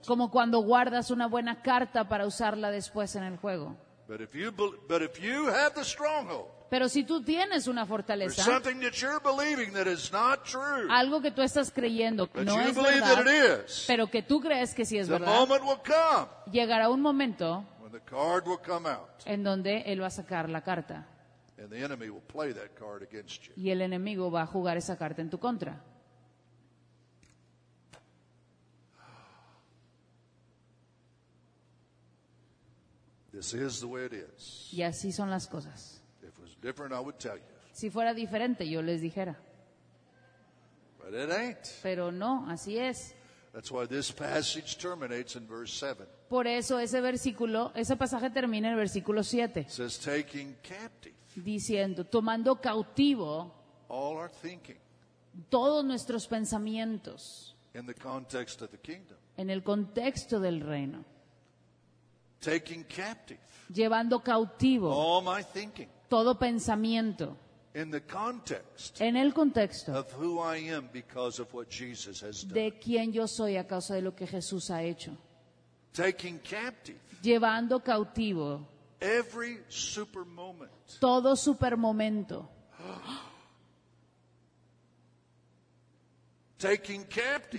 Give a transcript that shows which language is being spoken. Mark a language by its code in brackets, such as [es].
[es] Como cuando guardas una buena carta para usarla después en el juego. [en] But if you have the stronghold. [es] Pero si tú tienes una fortaleza. [en] There's something that you're believing that is not true. [es] Algo que tú estás creyendo que no es verdad. [en] But you believe that it is. [es] Pero que tú crees que sí es verdad. [en] The moment will come. [es] Llegará un momento. [en] When the card will come out. [es] En donde él va a sacar la carta. [en] And the enemy will play that card against you. [es] Y el enemigo va a jugar esa carta en tu contra. [en] This is the way it is. [es] Y así son las cosas. [en] If it was different, I would tell you. [es] Si fuera diferente, yo les dijera. [en] But it ain't. [es] Pero no, así es. [en] That's why this passage terminates in verse 7. [es] Por eso ese pasaje termina en el versículo 7. [en] It says, taking captive. [es] Diciendo, tomando cautivo. [en] All our thinking. [es] Todos nuestros pensamientos. [en] In the context of the kingdom. [es] En el contexto del reino. [en] Taking captive. [es] Llevando cautivo. [en] All my thinking. [es] Todo pensamiento. [en] In the context. [es] En el contexto. [en] Of who I am because of what Jesus has done. [es] De quién yo soy a causa de lo que Jesús ha hecho. [en] Taking captive. [es] Llevando cautivo. [en] Every super moment. [es] Todo super momento. [en] Taking captive.